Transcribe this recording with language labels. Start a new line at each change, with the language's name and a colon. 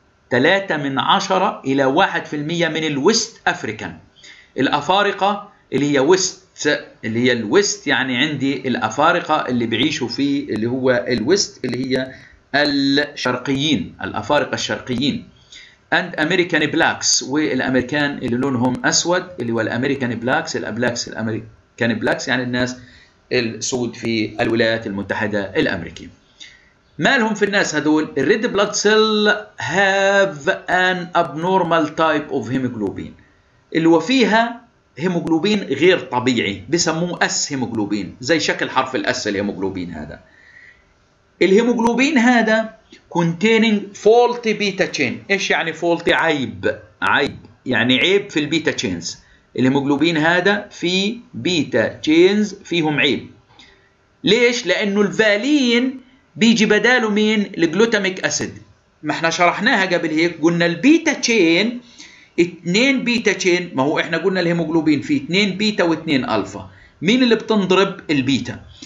Arabic: 3 من 10 إلى 1% من الويست أفريكان الأفارقة اللي هي ويست، اللي هي الويست يعني عندي الأفارقة اللي بعيشوا في اللي هو الويست اللي هي الشرقيين، الأفارقة الشرقيين
English: and American blacks،
Arabic: والأمريكان اللي لونهم أسود اللي هو الأمريكان بلاكس، الأبلاكس الأمريكان بلاكس يعني الناس السود في الولايات المتحدة الأمريكية. ما لهم في الناس هذول؟
English: الريد blood cell have an abnormal type of haemoglobin,
Arabic: اللي وفيها هيموجلوبين غير طبيعي بسموه اس هيموجلوبين، زي شكل حرف الاس الهيموجلوبين هذا. الهيموجلوبين هذا
English: containing faulty beta chain.
Arabic: ايش يعني faulty؟ عيب، عيب يعني عيب في البيتا تشينز. الهيموجلوبين هذا في بيتا تشينز فيهم عيب. ليش؟ لانه الفالين بيجي بداله مين؟ الجلوتاميك اسيد. ما احنا شرحناها قبل هيك، قلنا البيتا تشين 2 بيتا تشين، ما هو احنا قلنا الهيموجلوبين فيه 2 بيتا و2 الفا، مين اللي بتنضرب؟ البيتا.